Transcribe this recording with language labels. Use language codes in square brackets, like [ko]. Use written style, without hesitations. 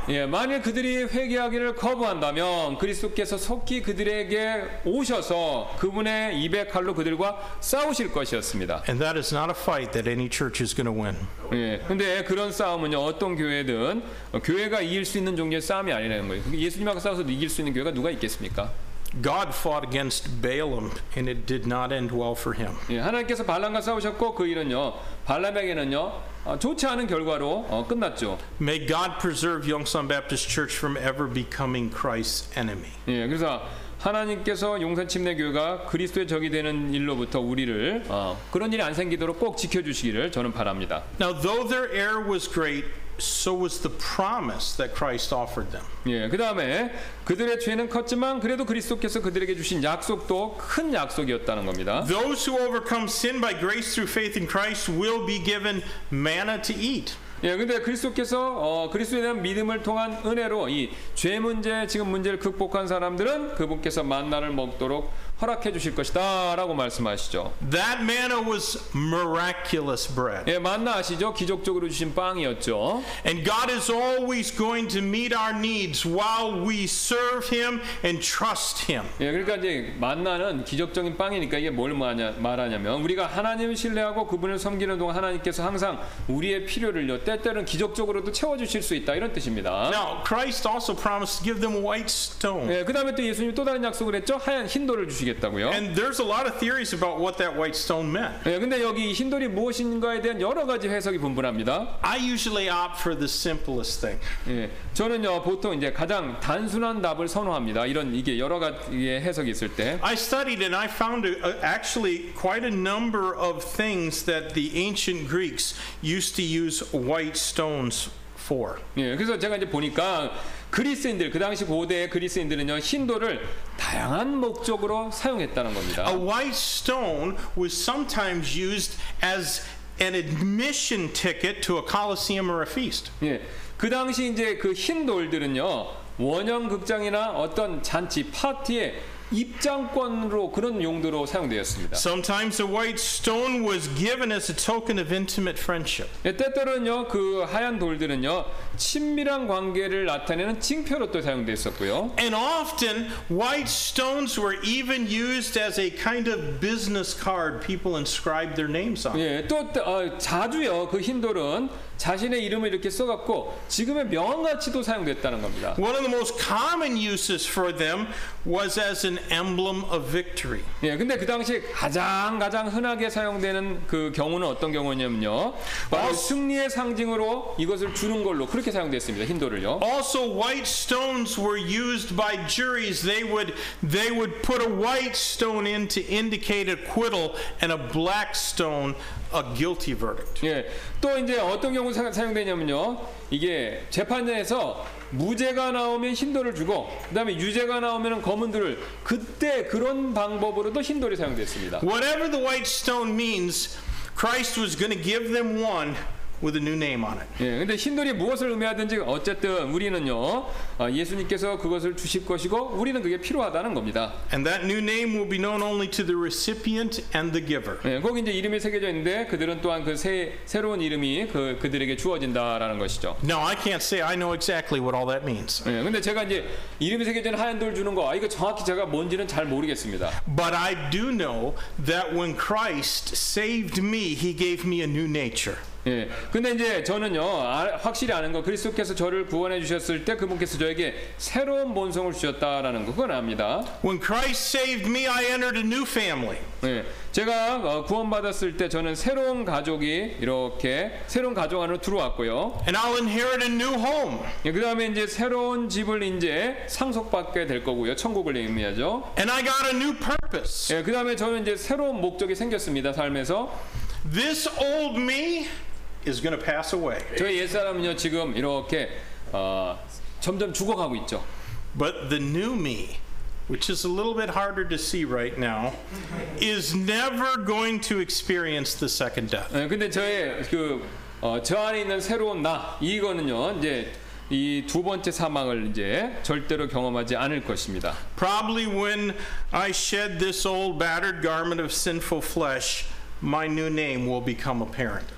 [ko] 예, 만일 그들이 회개하기를 거부한다면 그리스도께서 속히 그들에게 오셔서 그분의 입의 칼로 그들과 싸우실 것이었습니다. [en] And that is not a fight that any church is going to win. [ko] 예, 근데 그런 싸움은요 어떤 교회든 교회가 이길 수 있는 종교의 싸움이 아니라는 거예요. 예수님하고 싸워서 이길 수 있는 교회가 누가 있겠습니까? [en] God fought against Balaam and it did not end well for him. [ko] 예, 하나님께서 발람과 싸우셨고 그 일은요 발람에게는요 좋지 않은 결과로 끝났죠. [en] May God preserve Yongsan Baptist Church from ever becoming Christ's enemy. [ko] 예, 그래서 하나님께서 용산 침례 교회가 그리스도의 적이 되는 일로부터 우리를 그런 일이 안 생기도록 꼭 지켜주시기를 저는 바랍니다. [en] Now though their error was great, so was the promise that Christ offered them. [ko] 예, 그 다음에 그들의 죄는 컸지만 그래도 그리스도께서 그들에게 주신 약속도 큰 약속이었다는 겁니다. [en] Those who overcome sin by grace through faith in Christ will be given manna to eat. [ko] 예, 근데 그리스도께서 그리스도에 대한 믿음을 통한 은혜로 이 죄 문제 지금 문제를 극복한 사람들은 그분께서 만나를 먹도록 허락해 주실 것이다라고 말씀하시죠. [en] That manna was miraculous bread. [ko] 예, 만나 아시죠? 기적적으로 주신 빵이었죠. [en] And God is always going to meet our needs while we serve Him and trust Him. [ko] 예, 그러니까 이제 만나는 기적적인 빵이니까 이게 뭘 말하냐면 우리가 하나님을 신뢰하고 그분을 섬기는 동안 하나님께서 항상 우리의 필요를요 때때로는 기적적으로도 채워 주실 수 있다 이런 뜻입니다. [en] Now Christ also promised to give them a white stone. [ko] 예, 그다음에 또 예수님이 또 다른 약속을 했죠. 하얀 흰돌을 주 [en] And there's a lot of theories about what that white stone meant. [ko] 예, 근데 여기 흰돌이 무엇인가에 대한 여러 가지 해석이 분분합니다. [en] I usually opt for the simplest thing. [ko] 예, 저는요 보통 이제 가장 단순한 답을 선호합니다. 이런 이게 여러 가지의 해석이 있을 때. [en] I studied and I found actually quite a number of things that the ancient Greeks used to use white stones for. [ko] 예, 그래서 제가 이제 보니까 그리스인들 그 당시 고대의 그리스인들은요 흰돌을 다양한 목적으로 사용했다는 겁니다. [en] A white stone was sometimes used as an admission ticket to a coliseum or a feast. [ko] 예, 그 당시 이제 그 흰돌들은요 원형 극장이나 어떤 잔치 파티에 입장권으로 그런 용도로 사용되었습니다. [en] Sometimes a white stone was given as a token of intimate friendship. [ko] 때때로는요, 그 하얀 돌들은요, 친밀한 관계를 나타내는 징표로 또 사용되었었고요. [en] And often white stones were even used as a kind of business card people inscribed their names on. [ko] 예, 또 자주요, 그 흰 돌은 자신의 이름을 이렇게 써갖고 지금의 명언같이도 사용됐다는 겁니다. [en] One of the most common uses for them was as an emblem of victory. [ko] 예, 근데 그 당시 가장 흔하게 사용되는 그 경우는 어떤 경우냐면요, 바로 승리의 상징으로 이것을 주는 걸로 그렇게 사용됐습니다. 흰돌을요. [en] Also, white stones were used by juries. They would put a white stone in to indicate acquittal and a black stone. A guilty verdict. [ko] 예, 또 이제 어떤 경우 사용되냐면요, 이게 재판장에서 무죄가 나오면 흰돌을 주고, 그다음에 유죄가 나오면은 검은 돌을 그때 그런 방법으로도 흰돌이 사용됐습니다. [en] Whatever the white stone means, Christ was going to give them one with a new name on it. [ko] 예, 근데 흰돌이 무엇을 의미하든지 어쨌든 우리는요, 예수님께서 그것을 주실 것이고 우리는 그게 필요하다는 겁니다. [en] And that new name will be known only to the recipient and the giver. [ko] 예, 거기 이제 이름이 새겨져 있는데 그들은 또한 그 새로운 이름이 그들에게 주어진다라는 것이죠. [en] Now I can't say I know exactly what all that means. [ko] 예, 근데 제가 이제 이름이 새겨진 하얀 돌 주는 거, 이거 정확히 제가 뭔지는 잘 모르겠습니다. [en] But I do know that when Christ saved me, he gave me a new nature. [ko] 예, 근데 이제 저는요, 확실히 아는 거, 그리스도께서 저를 구원해 주셨을 때 그분께서 저에게 새로운 본성을 주셨다라는 거, 그건 압니다. [en] When Christ saved me, I entered a new family. [ko] 예, 제가 구원받았을 때 저는 새로운 가족이 이렇게 새로운 가족 안으로 들어왔고요. [en] And I'll inherit a new home. [ko] 예, 그 다음에 이제 새로운 집을 이제 상속받게 될 거고요. 천국을 의미하죠. [en] And I got a new purpose. [ko] 예, 그 다음에 저는 이제 새로운 목적이 생겼습니다. 삶에서. [en] This old me is going to pass away. [ko] 저의 옛 사람은요 지금 이렇게 점점 죽어가고 있죠. [en] But the new me, which is a little bit harder to see right now, is never going to experience the second death. [ko] 근데 저의 그 저 안에 있는 새로운 나 이거는요 이제 이 두 번째 사망을 이제 절대로 경험하지 않을 것입니다. [en] Probably when I shed this old battered garment of sinful flesh. My new name will become apparent.